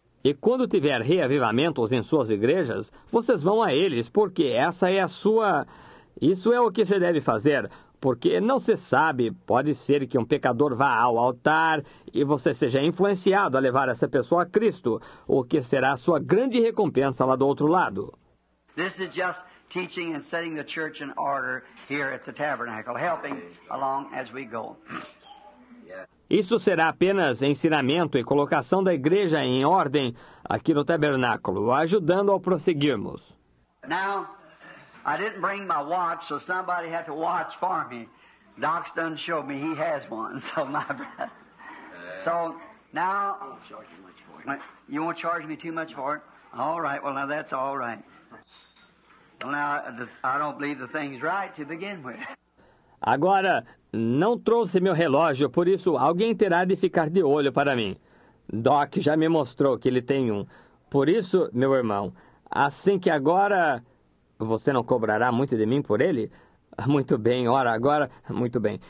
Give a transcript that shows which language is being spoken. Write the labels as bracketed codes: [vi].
[pt] E quando tiver reavivamentos em suas igrejas, vocês vão a eles porque essa é a sua, isso é o que você deve fazer. Porque não se sabe, pode ser que um pecador vá ao altar e você seja influenciado a levar essa pessoa a Cristo, o que será a sua grande recompensa lá do outro lado. [en] This is just teaching and setting the church in order here at the tabernacle, helping along as we go. [pt] Isso será apenas ensinamento e colocação da igreja em ordem aqui no tabernáculo, ajudando ao prosseguirmos. [en] Now, I didn't bring my watch, so somebody had to watch for me. Doc's done showed me he has one, so my bad. So now, you won't charge me too much for it? All right, well now that's all right. Well now, I don't believe the thing's right to begin with. [pt] Agora, não trouxe meu relógio, por isso alguém terá de ficar de olho para mim. Doc já me mostrou que ele tem um. Por isso, meu irmão, assim que agora... Você não cobrará muito de mim por ele? Muito bem, ora, agora... Muito bem.